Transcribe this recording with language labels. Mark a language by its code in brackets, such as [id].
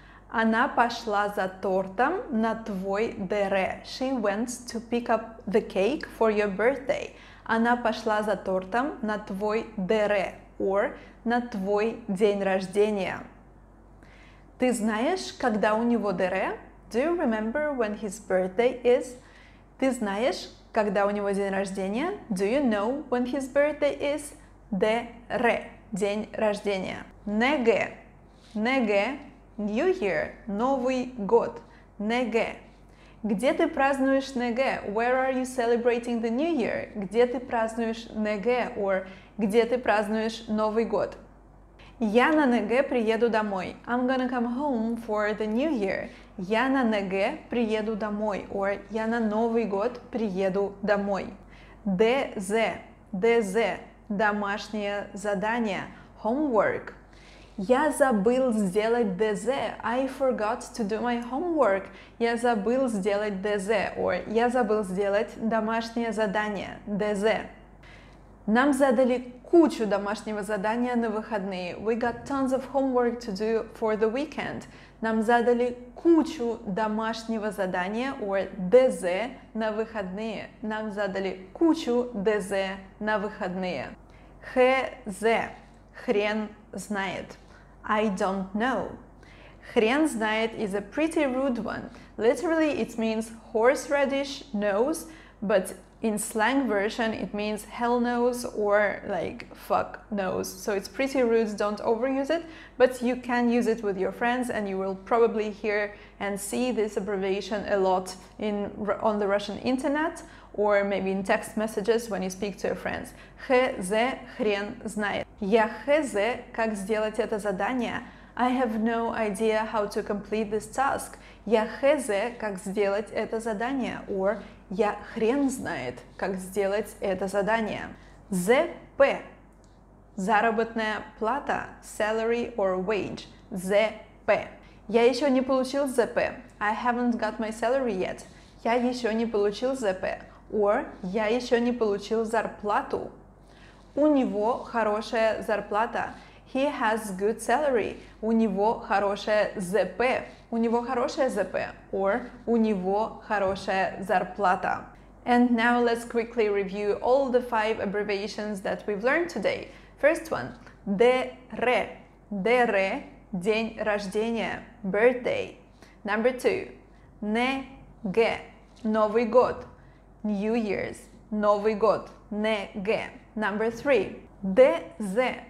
[ru] Она пошла за тортом на твой дере. [en] She went to pick up the cake for your birthday. [ru] Она пошла за тортом на твой дере, or на твой день рождения. Ты знаешь, когда у него дере? [en] Do you remember when his birthday is? [ru] Ты знаешь, когда у него день рождения? [en] Do you know when his birthday is? [ru] Дере, день рождения. Неге, неге, [en] New Year, [ru] Новый год. Неге. Где ты празднуешь неге? [en] Where are you celebrating the New Year? [ru] Где ты празднуешь неге? Or где ты празднуешь Новый год? Я на неге приеду домой. [en] I'm gonna come home for the New Year. [ru] Я на неге приеду домой. Or я на Новый год приеду домой. ДЗ. ДЗ. Домашнее задание. Homework. Я забыл сделать ДЗ. [en] I forgot to do my homework. [ru] Я забыл сделать ДЗ. Or я забыл сделать домашнее задание. ДЗ. Нам задали кучу домашнего задания на выходные. [en] We got tons of homework to do for the weekend. [ru] Нам задали кучу домашнего задания, or ДЗ, на выходные. Нам задали кучу ДЗ на выходные. ХЗ. Хрен знает. [en] I don't know. [ru] Хрен знает [en] is a pretty rude one. Literally, it means horseradish knows, but in slang version, it means hell knows or like fuck knows. So it's pretty rude, don't overuse it, but you can use it with your friends and you will probably hear and see this abbreviation a lot on the Russian internet or maybe in text messages when you speak to your friends. [ru] ХЗ хрен знает. Я ХЗ как сделать это задание? [en] I have no idea how to complete this task. [ru] Я ХЗ как сделать это задание? Or я хрен знает, как сделать это задание. ЗП. Заработная плата. [en] Salary or wage. [ru] ЗП. Я еще не получил ЗП. [en] I haven't got my salary yet. [ru] Я еще не получил ЗП. Or я еще не получил зарплату. У него хорошая зарплата. [en] He has good salary. [ru] У него хорошая ЗП. У него хорошая ЗП. Or у него хорошая зарплата. [en] And now let's quickly review all the five abbreviations that we've learned today. [ru] First one. ДЕРЕ. ДЕРЕ. День рождения. [en] Birthday. Number two. [ru] НЕГЕ. Новый год. [en] New Year's. [ru] Новый год. НЕГЕ. [en] Number three. [ru] ДЗ.